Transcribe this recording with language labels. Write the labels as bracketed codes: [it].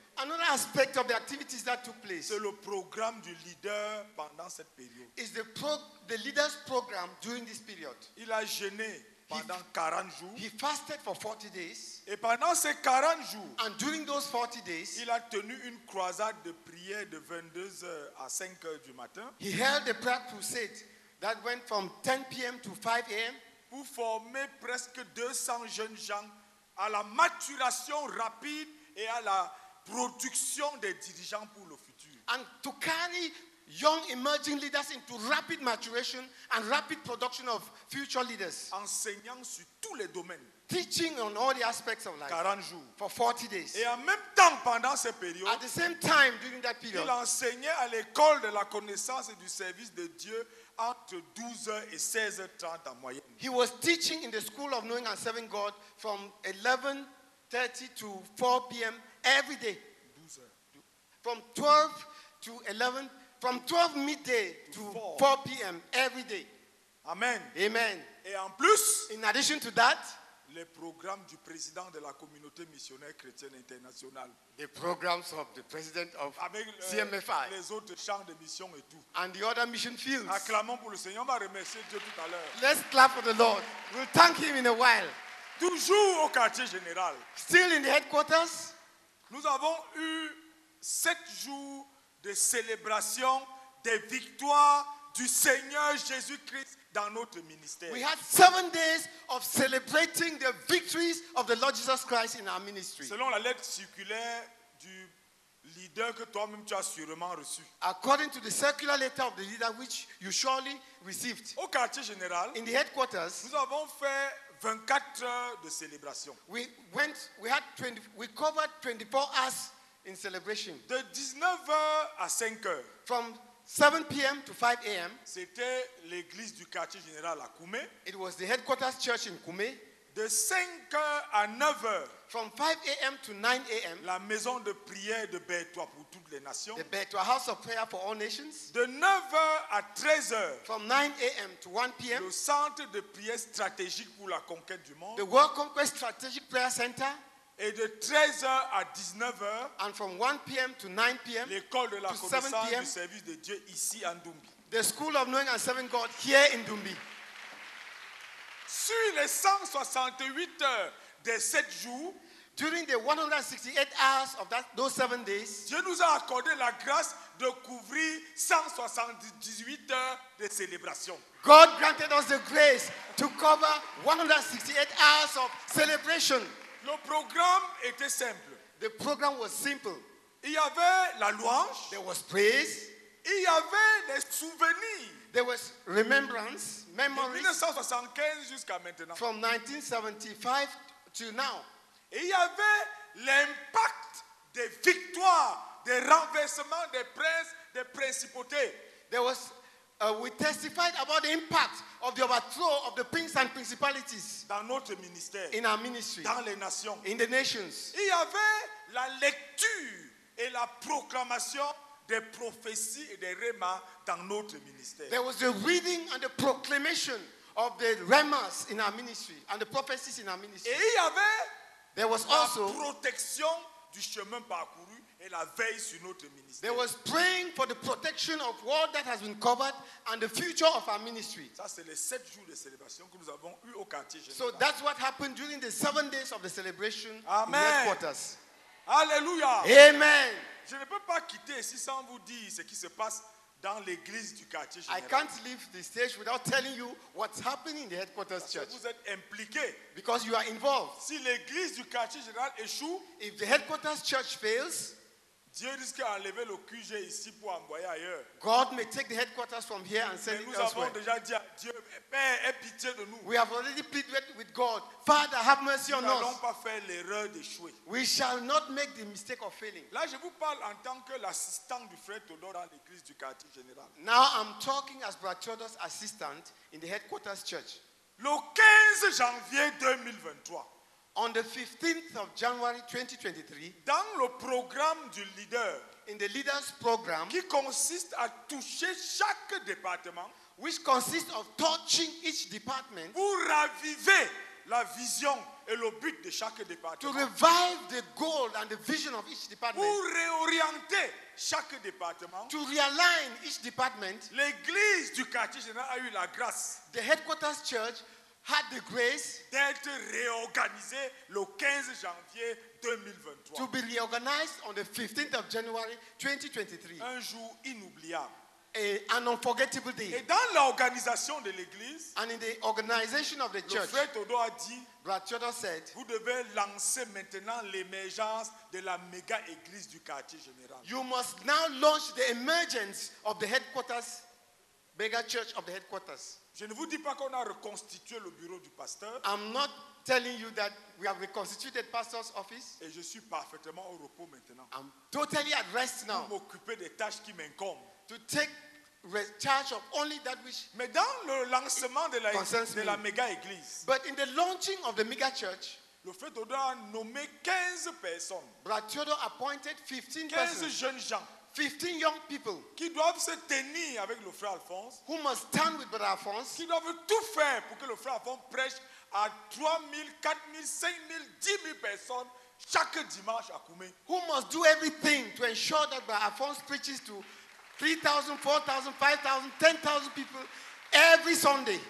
[en] Another aspect of the activities that took place. [fr] C'est le programme du leader pendant cette période. [en] Is the leader's program during this period. [fr] Il a jeûné pendant 40 jours. [en] He fasted for 40 days. [fr] Et pendant ces 40 jours, [en] and during those 40 days, [fr] il a tenu une croisade de prière de 22 heures à 5 heures du matin. [en] He held a prayer crusade that went from 10 p.m. to 5 a.m. [fr] pour former presque 200 jeunes gens à la maturation rapide et à la production des dirigeants pour le futur. [en] And to carry young emerging leaders into rapid maturation and rapid production of future leaders. [fr] Enseignant sur tous les domaines. [en] Teaching on all the aspects of life. [fr] 40 jours. [en] For 40 days. [fr] Et en même temps, pendant cette période, [en] at the same time, during that period, [fr] il enseignait à l'école de la connaissance et du service de Dieu entre 12h et 16h30 en moyenne. [en] He was teaching in the school of knowing and serving God from 11:30 to 4 p.m. every day. 12 from 12 to 11, from 12 midday to 4 p.m. every day. Amen. Amen. [fr] Et en plus, [en] in addition to that, [fr] le programme du président de la communauté missionnaire chrétienne internationale. [en] The programs of the president of CMFI. [fr] Les autres champs de mission et tout. [en] And the other mission fields. [fr] Acclamons pour le Seigneur, on va remercier Dieu tout à l'heure. [en] Let's clap for the Lord. We'll thank him in a while. [fr] Toujours au quartier général. [en] Still in the headquarters. [fr] Nous avons eu 7 jours de célébration des victoires du Seigneur Jésus-Christ dans notre ministère. [en] We had 7 days of celebrating the victories of the Lord Jesus Christ in our ministry. [fr] Selon la lettre circulaire du leader que toi-même tu as sûrement reçu. [en] According to the circular letter of the leader which you surely received. [fr] Au quartier général. [en] In the headquarters. [fr] Nous avons fait 24 heures de célébration. [en] We covered 24 hours in celebration. [fr] De 19h à 5h. [en] From 7 p.m. to 5 a.m. [fr] C'était l'église du quartier général à Koumé. [en] It was the headquarters church in Koumé. [fr] De 5h à 9h. [en] From 5 a.m. to 9 a.m. [fr] La maison de prière de Bertoua pour toutes les nations. [en] The Bertoua house of prayer for all nations. [fr] De 9h à 13h. [en] From 9 a.m. to 1 p.m. [fr] Le centre de prière stratégique pour la conquête du monde. [en] The World Conquest Strategic Prayer Center. [fr] Et de 13h à 19h. [en] And from 1 p.m. to 9 p.m. [fr] L'école de la connaissance du service de Dieu ici en Doumbi. [en] The School of Knowing and Serving God here in Doumbi. [fr] Sur les 168 heures de 7 jours, [en] during the 168 hours of those 7 days, [fr] Dieu nous a accordé la grâce de couvrir 178 heures de célébration. [en] God granted us the grace to cover 168 hours of celebration. [fr] Le programme était simple. [en] The program was simple. [fr] Il y avait la louange. [en] There was praise. [fr] Il y avait les souvenirs. [en] There was remembrance. Memories, [fr] 1975 jusqu'à maintenant. [en] From 1975 to now. [fr] Et il y avait l'impact des victoires, des renversements des princes, des principautés. [en] There was, we testified about the impact of the overthrow of the princes and principalities. [fr] Dans notre ministère. [en] In our ministry. [fr] Dans les nations. [en] In the nations. [fr] Il y avait la lecture et la proclamation des prophéties et des rémas dans notre ministère. [en] There was the reading and the proclamation of the rémas in our ministry and the prophecies in our ministry. [fr] Et il y avait [en] there was [fr] la [en] also [fr] protection du chemin parcouru et la veille sur notre ministère. [en] There was praying for the protection of all that has been covered and the future of our ministry. [fr] Ça c'est les 7 jours de célébration que nous avons eu au quartier général. [en] So that's what happened during the 7 days of the celebration Amen. In headquarters. Alléluia. Amen. [fr] Je ne peux pas quitter ici sans vous dire ce qui se passe dans l'église du quartier général. [en] I can't leave the stage without telling you what's happening in the headquarters [fr] Parce [en] church. [fr] Vous êtes impliqué. [en] Because you are involved. [fr] Si l'église du quartier général échoue, [en] if the headquarters church fails, [fr] Dieu risque d'enlever le QG ici pour envoyer ailleurs. [en] God may take the headquarters from here and send [fr] Mais [en] it elsewhere. [fr] Nous avons déjà dit à Dieu, Père, aie pitié de nous. [en] We have already pleaded with God, Father, have mercy [fr] nous [en] on us. [fr] Nous n'allons pas faire l'erreur d'échouer. [en] We shall not make the mistake of failing. [fr] Là, je vous parle en tant que l'assistant du frère Todor dans l'église du quartier général. [en] Now I'm talking as Brother Todor's assistant in the headquarters church. [fr] Le 15 janvier 2023. [en] On the 15th of January 2023, [fr] dans le programme du leader, [en] in the leader's program, [fr] qui consiste à toucher chaque département, [en] which consists of touching each department, [fr] pour raviver la vision et le but de chaque département, [en] to revive the goal and the vision of each department, [fr] pour réorienter chaque département, [en] to realign each department, [fr] l'église du quartier général a eu la grâce, [en] the headquarters church had the grace [fr] d'être réorganisé le 15 janvier 2023. [en] To be reorganized on the 15th of January 2023. [fr] Un jour inoubliable. [en] An unforgettable day. [fr] Et dans l'organisation de l'église, [en] and in the organization of the [fr] le [en] church, [fr] frère Todo a dit, [en] Brother Todo said, [fr] vous devez lancer maintenant l'émergence de la méga église du quartier général. [en] You must now launch the emergence of the headquarters, mega church of the headquarters. [fr] Je ne vous dis pas qu'on a reconstitué le bureau du pasteur. [en] I'm not telling you that we have reconstituted pastor's office. [fr] Et je suis parfaitement au repos maintenant. [en] I'm totally at rest now. [fr] Pour m'occuper des tâches qui m'incombent. [en] To take charge of only that which [fr] Mais dans le lancement de la méga église. [en] But in the launching of the mega church, [fr] le frère Todo a nommé 15 personnes. [en] Brother Todo appointed 15 [fr] 15 jeunes gens. [en] 15 young people [fr] qui doivent se tenir avec le frère Alphonse, [en] who must stand with Brother Alphonse, [fr] qui doivent tout faire pour que le frère Alphonse prêche à 3000, 4000, 5000, 10000 personnes chaque dimanche à Koumé. [en] Who must do everything to ensure that Brother Alphonse preaches to 3000, 4000, 5000, 10000 people every Sunday.